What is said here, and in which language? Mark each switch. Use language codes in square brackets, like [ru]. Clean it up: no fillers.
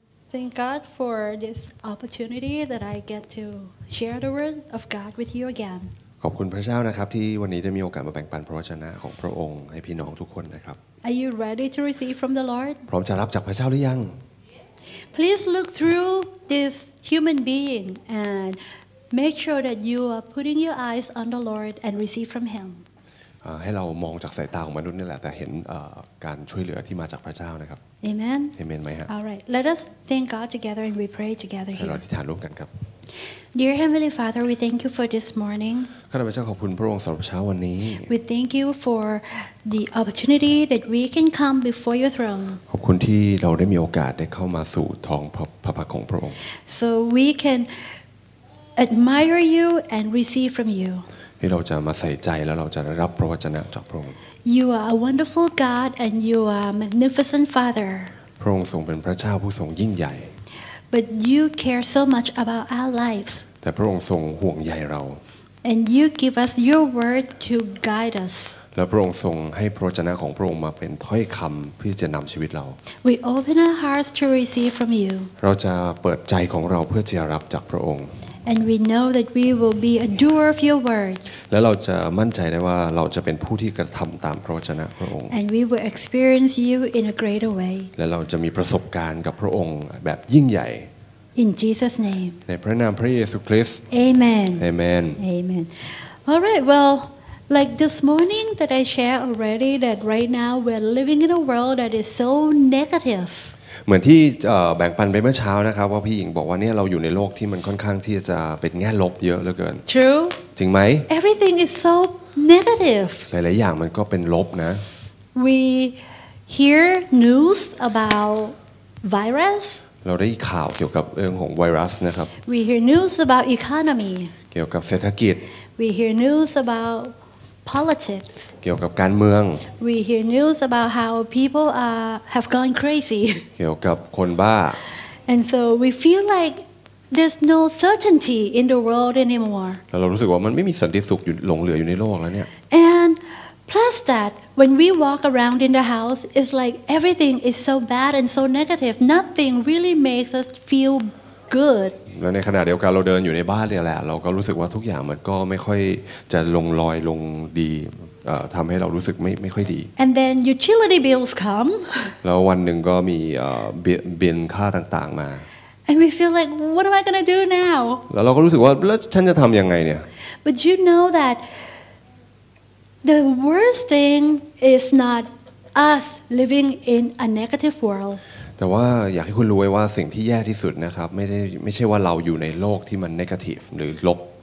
[en] Thank God for this opportunity that I get to share the word of God with you again. [th] ขอบคุณพระเจ้านะครับที่วันนี้ได้มีโอกาสมาแบ่งปันพระวจนะของพระองค์ให้พี่น้องทุกคนนะครับ [en] Are you ready to receive from the Lord? [th] พร้อมจะรับจากพระเจ้าหรือยัง [en] Please look through this human being and make sure that you are putting your eyes on the Lord and receive from him. [th] ให้เรามองจากสายตาของมนุษย์นี่แหละแต่เห็นการช่วยเหลือที่มาจากพระเจ้านะครับ [en] Amen. [th] Amen ไหมฮะ [en] All right. Let us thank God together and we pray together here. [th] เราอธิษฐานร่วมกันครับ [en] Dear Heavenly Father, we thank you for this morning. [th] ข้าพเจ้าขอบคุณพระองค์สำหรับเช้าวันนี้ [en] We thank you for the opportunity that we can come before your throne. [th] ขอบคุณที่เราได้มีโอกาสได้เข้ามาสู่ท้องพระพักของพระองค์ [en] So we can admire you and receive from you. [th] ที่เราจะมาใส่ใจแล้วเราจะรับพระวจนะจากพระองค์ [en] You are a wonderful God and you are a magnificent Father. [th] พระองค์ทรงเป็นพระเจ้าผู้ทรงยิ่งใหญ่ [en] But you care so much about our lives. [th] แต่พระองค์ทรงห่วงใยเรา [en] And you give us your word to guide us. [th] และพระองค์ทรงให้พระวจนะของพระองค์มาเป็นถ้อยคำเพื่อจะนำชีวิตเรา [en] We open our hearts to receive from you. [th] เราจะเปิดใจของเราเพื่อจะรับจากพระองค์ [en] And we know that we will be a doer of your word. [th] และเราจะมั่นใจได้ว่าเราจะเป็นผู้ที่กระทำตามพระวจนะพระองค์ [en] And we will experience you in a greater way. [th] และเราจะมีประสบการณ์กับพระองค์แบบยิ่งใหญ่ [en] In Jesus' name. [th] ในพระนามพระเยซูคริสต์ [en] Amen. Amen. Amen. All right. Well, like this morning that I share already, that right now we're living in a world that is so negative. [th] เหมือนที่แบ่งปันไปเมื่อเช้านะครับว่าพี่หญิงบอกว่าเนี่ยเราอยู่ในโลกที่มันค่อนข้างที่จะเป็นแง่ลบเยอะเหลือเกิน [en] True. [th] จริงไหม [en] Everything is so negative. [th] หลายๆอย่างมันก็เป็นลบนะ [en] We hear news about virus. [th] เราได้ข่าวเกี่ยวกับเรื่องของไวรัสนะครับ [en] We hear news about economy [th] เกี่ยวกับเศรษฐกิจ [en] We hear news about politics [th] เกี่ยวกับการเมือง [en] We hear news about how people have gone crazy [th] เกี่ยวกับคนบ้า [en] And so we feel like there's no certainty in the world anymore [th] แล้วเรารู้สึกว่ามันไม่มีสันติสุขอยู่หลงเหลืออยู่ในโลกแล้วเนี่ย [en] And plus thatWhen we walk around in the house, it's like everything is so bad and so negative. Nothing really makes us feel good. [th] และในขณะเดียวกันเราเดินอยู่ในบ้านเนี่ยแหละเราก็รู้สึกว่าทุกอย่างมันก็ไม่ค่อยจะลงรอยลงดีทำให้เรารู้สึกไม่ค่อยดี [en] And then utility bills come. [th] แล้ววันหนึ่งก็มีบิลค่าต่างๆมา [en] And we feel like, what am I gonna do now? [th] แล้วเราก็รู้สึกว่าแล้วฉันจะทำยังไงเนี่ย [en] But you know thatThe worst thing is not us living in a negative world. [th] แต่ว่าอยากให้คุณรู้ไว้ว่าสิ่งที่แย่ที่สุดนะครับไม่ใช่ว่าเราอยู่ในโลกที่มัน negative หรือลบ